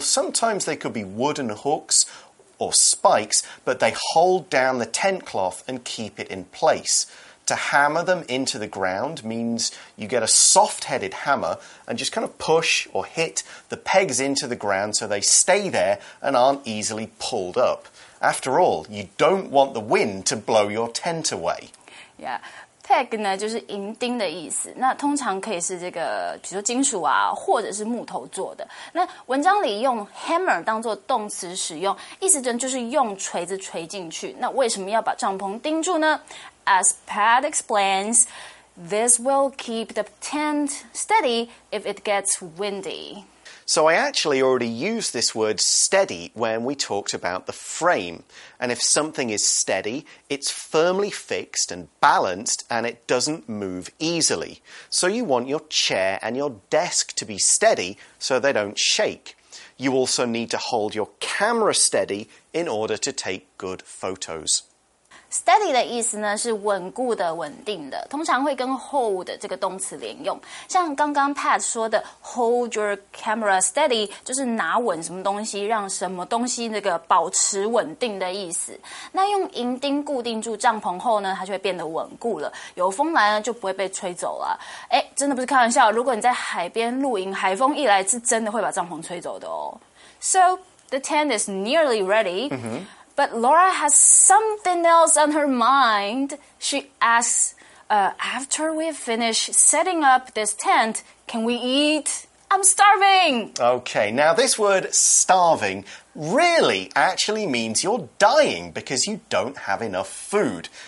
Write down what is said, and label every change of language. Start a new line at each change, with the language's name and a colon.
English: Sometimes they could be wooden hooks or spikes, but they hold down the tent cloth and keep it in place. To hammer them into the ground means you get a soft-headed hammer and just kind of push or hit the pegs into the ground so they stay there and aren't easily pulled up. After all, you don't want the wind to blow your tent away.
Chinese: Yeah, peg 呢就是银钉的意思，那通常可以是这个，比如说金属啊，或者是木头做的。那文章里用 hammer 当作动词使用，意思就是用锤子锤进去。那为什么要把帐篷钉住呢？
English: As Pat explains, this will keep the tent steady if it gets windy. So I actually already used this word steady when we talked about the frame. And if something is steady, it's firmly fixed and balanced and it doesn't move easily. So you want your chair and your desk to be steady so they don't shake. You also need to hold your camera steady in order to take good photos.
Chinese: Steady 的意思呢是稳固的、稳定的，通常会跟 hold 这个动词连用。像刚刚 Pat 说的
English: hold your camera steady
Chinese: 就是拿稳什么东西，让什么东西那个保持稳定的意思。那用银钉固定住帐篷后呢，它就会变得稳固了，有风来呢就不会被吹走了。哎，真的不是开玩笑，如果你在海边露营，海风一来是真的会把帐篷吹走的哦。
English: So the tent is nearly ready.、 Mm-hmm. But Laura has something else on her mind. She asks, after we finish setting up this tent, can we eat? I'm starving! Okay, now this word starving really actually means you're dying because you don't have enough food.